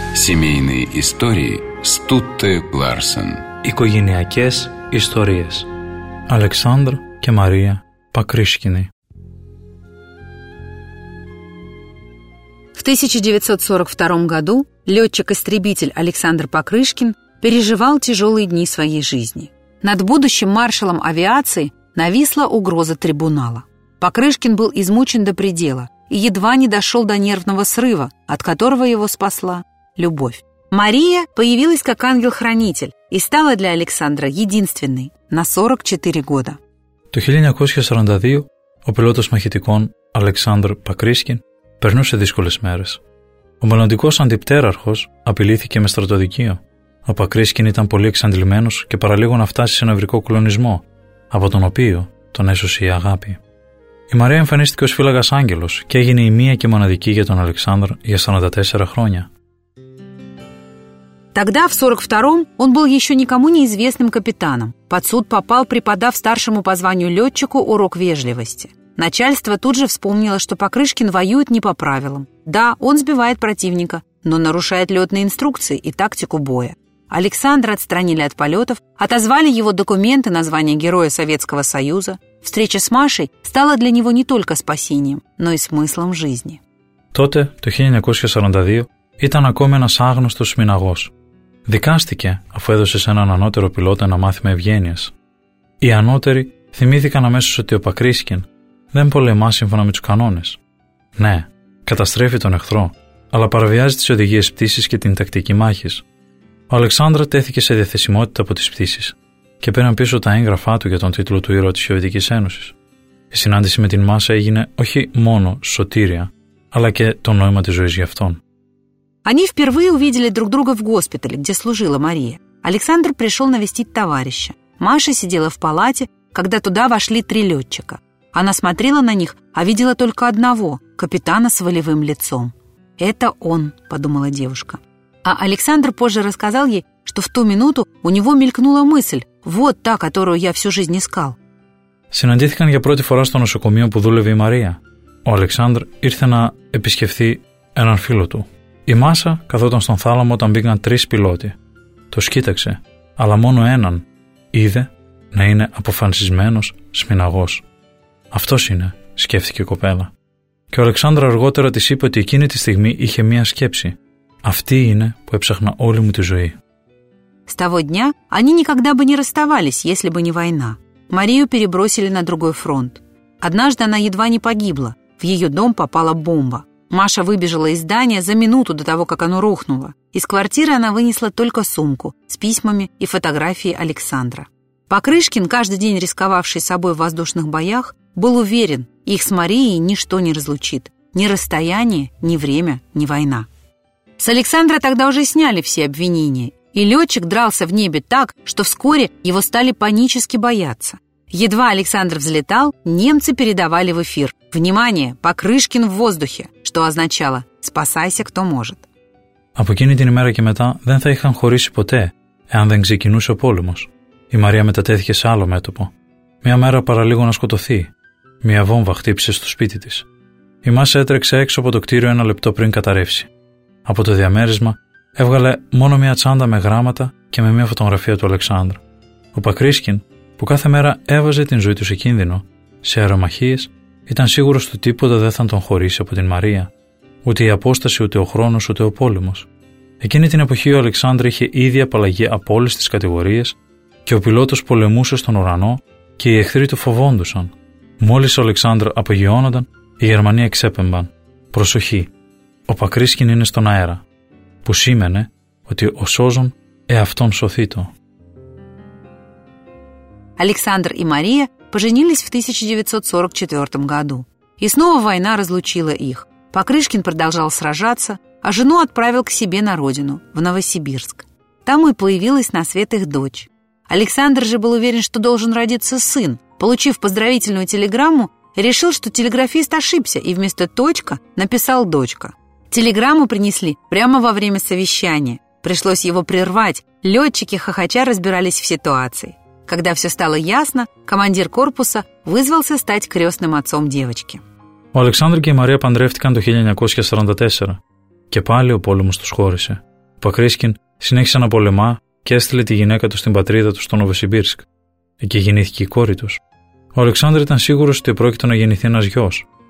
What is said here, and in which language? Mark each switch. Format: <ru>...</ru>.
<ru>Семейные истории Стутте Ларсен.</ru> <el>Οικογενειακές ιστορίες. Αλεξάνδρ και Μαρία Πακρίσκινη.</el> <ru>В 1942 году летчик-истребитель Александр Покрышкин переживал тяжелые дни своей жизни. Над будущим маршалом авиации нависла угроза трибунала. Покрышкин был измучен до предела и едва не дошел до нервного срыва, от которого его спасла любовь. Мария появилась как ангел-хранитель и стала для Александра единственной на 44 года.</ru> <el>Το 1942 ο πιλότος μαχητικών Αλεξάνδρ Πακρίσκιν περνούσε δύσκολες μέρες. Ο μελλοντικός αντιπτέραρχος απειλήθηκε με στρατοδικείο. Ο Πακρίσκιν ήταν πολύ εξαντλημένος και παραλίγο να φτάσει σε νευρικό κλονισμό, από τον οποίο τον έσωσε η αγάπη. Η Μαρία εμφανίστηκε ως φύλαγας άγγελος και έγινε η μία και μοναδική για τον Αλεξάνδρ για 44 χρόνια.</el> <ru>Тогда, в 42-м, он был еще никому неизвестным капитаном. Под суд попал, преподав старшему по званию летчику урок вежливости. Начальство тут же вспомнило, что Покрышкин воюет не по правилам. Да, он сбивает противника, но нарушает летные инструкции и тактику боя. Александра отстранили от полетов, отозвали его документы на звание Героя Советского Союза. Встреча с Машей стала для него не только спасением, но и смыслом жизни.</ru> <el>Тоте, то 1942, ήταν ακόμη ένας άγνωστος μυναγός. Δικάστηκε αφού έδωσε σε έναν ανώτερο πιλότο ένα μάθημα ευγένειας. Οι ανώτεροι θυμήθηκαν αμέσως ότι ο Πακρίσκιν δεν πολεμά σύμφωνα με τους κανόνες. Ναι, καταστρέφει τον εχθρό, αλλά παραβιάζει τις οδηγίες πτήσης και την τακτική μάχης. Ο Αλεξάνδρα τέθηκε σε διαθεσιμότητα από τις πτήσεις και πήραν πίσω τα έγγραφά του για τον τίτλο του ήρωα της Σοβιετικής Ένωσης. Η συνάντηση με την Μάσα έγινε όχι μόνο σωτήρια, αλλά και το νόημα της ζωής για αυτόν.</el> <ru>Они впервые увидели друг друга в госпитале, где служила Мария. Александр пришел навестить товарища. Маша сидела в палате, когда туда вошли три летчика. Она смотрела на них, а видела только одного, капитана с волевым лицом. «Это он», — подумала девушка. А Александр позже рассказал ей, что в ту минуту у него мелькнула мысль, вот та, которую я всю жизнь искал.</ru> <el>Συναντήθηκαν για πρώτη φορά στο νοσοκομείο, που δούλευε η Мария. Ο Александр ήρθε να επισκεφθεί έναν φίλο του. Η Μάσα καθόταν στον θάλαμο όταν μπήκαν τρεις πιλότοι. Το σκοίταξε, αλλά μόνο έναν είδε να είναι αποφασισμένος σμιναγός. «Αυτός είναι», σκέφτηκε η κοπέλα. Και ο Αλεξάνδρα αργότερα της είπε ότι εκείνη τη στιγμή είχε μία σκέψη. «Αυτή είναι που έψαχνα όλη μου τη ζωή».</el> <ru>С того дня они никогда бы не расставались, если бы не война. Марию перебросили на другой фронт. Однажды она едва не погибла. В ее дом попала бомба. Маша выбежала из здания за минуту до того, как оно рухнуло. Из квартиры она вынесла только сумку с письмами и фотографией Александра. Покрышкин, каждый день рисковавший собой в воздушных боях, был уверен, их с Марией ничто не разлучит. Ни расстояние, ни время, ни война. С Александра тогда уже сняли все обвинения. И летчик дрался в небе так, что вскоре его стали панически бояться. Едва Александр взлетал, немцы передавали в эфир: «Внимание, Покрышкин в воздухе», что означало «спасайся, кто может».</ru> <el>Από εκείνη την ημέρα και μετά δεν θα είχαν χωρίσει ποτέ, εάν δεν ξεκινούσε ο πόλεμος. Η Μαρία μετατέθηκε σε άλλο μέτωπο. Μια μέρα παραλίγο να σκοτωθεί. Μια βόμβα χτύπησε στο σπίτι της. Η Μάσα έτρεξε έξω από το κτίριο ένα λεπτό πριν καταρρεύσει. Από το διαμέρισμα έβγαλε μόνο μια τσάντα με γράμματα και με μια φωτογραφία του Αλεξάνδρου. Ο Πακρίσκιν, που κάθε μέρα έβαζε την ζωή του σε κίνδυνο, σε αερομαχίες, ήταν σίγουρος ότι τίποτα δεν θα τον χωρίσει από την Μαρία. Ούτε η απόσταση, ούτε ο χρόνος, ούτε ο πόλεμος. Εκείνη την εποχή ο Αλεξάνδρ είχε ήδη απαλλαγή από όλες τις κατηγορίες και ο πιλότος πολεμούσε στον ουρανό και οι εχθροί του φοβόντουσαν. Μόλις ο Αλεξάνδρ απογειώνονταν, οι Γερμανοί εξέπεμπαν. Προσοχή! Ο Πακρίσκιν είναι στον αέρα. Που σήμαινε ότι ο σώζον εαυτόν σωθεί το.</el> <ru>Александр и Мария поженились в 1944 году. И снова война разлучила их. Покрышкин продолжал сражаться, а жену отправил к себе на родину, в Новосибирск. Там и появилась на свет их дочь. Александр же был уверен, что должен родиться сын. Получив поздравительную телеграмму, решил, что телеграфист ошибся и вместо «точка» написал «дочка». Телеграмму принесли прямо во время совещания. Пришлось его прервать. Летчики хохоча разбирались в ситуации. Когда все стало ясно, командир корпуса вызвался стать крестным отцом девочки.</ru> <el>Ο Αλεξάνδρ και η Μαρία παντρεύτηκαν το 1944 και πάλι ο πόλεμος τους χώρισε. Ο Πακρίσκιν συνέχισε να πολεμά και έστειλε τη γυναίκα του στην πατρίδα του στο Νοβοσιμπίρσκ. Εκεί γεννήθηκε η κόρη τους. Ο Αλεξάνδρ ήταν σίγουρος ότι πρόκειται να γεννηθεί ένας γιος.</el>